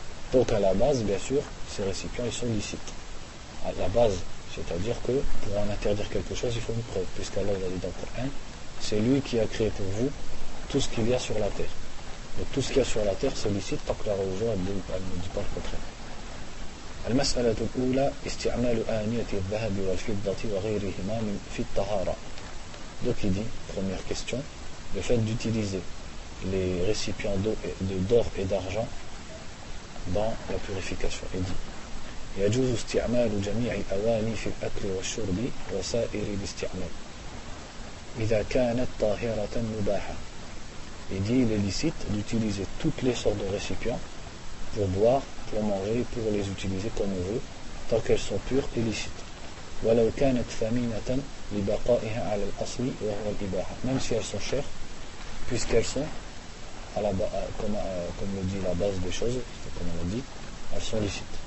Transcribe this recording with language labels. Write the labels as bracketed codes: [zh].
[fr] Donc à la base, bien sûr, ces récipients ils sont licites. À la base, c'est-à-dire que pour en interdire quelque chose, il faut une preuve, puisqu'Allah a dit dans le Coran, c'est lui qui a créé pour vous tout ce qu'il y a sur la terre. Donc tout ce qu'il y a sur la terre c'est licite tant que la religion elle ne dit pas le contraire. [ar] المسألة الأولى استعمال آنية الذهب والفضة وغيرهما في الطهارة. [fr] Donc il dit, première question, le fait d'utiliser les récipients d'or et d'argent dans la purification. Il dit [ar] يجوز استعمال جميع الأواني في الأكل والشرب وسائر الاستعمال إذا كانت طاهرة مباحة. [fr] Il dit, il est licite d'utiliser toutes les sortes de récipients pour boire, pour manger, pour les utiliser comme on veut, tant qu'elles sont pures et licites. [ar] وَلَوْ كَانَتْ ثَمِينَةً لِبَقَائِهَا عَلَى الْأَصْلِ وَهُوَ الْإِبَاحَ. [fr] Même si elles sont chères, puisqu'elles sont, à la, comme le dit la base des choses, c'est comme on le dit, elles sont licites.